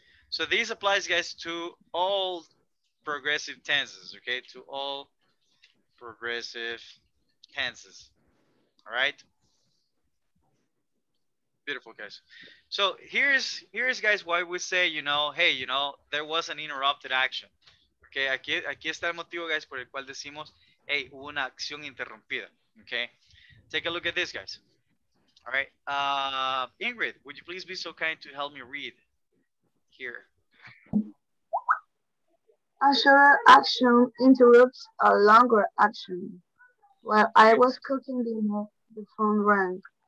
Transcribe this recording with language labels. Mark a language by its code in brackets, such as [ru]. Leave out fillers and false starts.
[en] So this applies, guys, to all progressive tenses, okay? To all progressive tenses, all right? Beautiful, guys. So here's guys, why we say, you know, hey, you know, there was an interrupted action, okay? [es] Aquí está el motivo, guys, por el cual decimos, hey, hubo una acción interrumpida, okay? [en] Take a look at this, guys. All right, Ingrid, would you please be so kind to help me read here? A short action interrupts a longer action. While I was cooking dinner, the phone rang.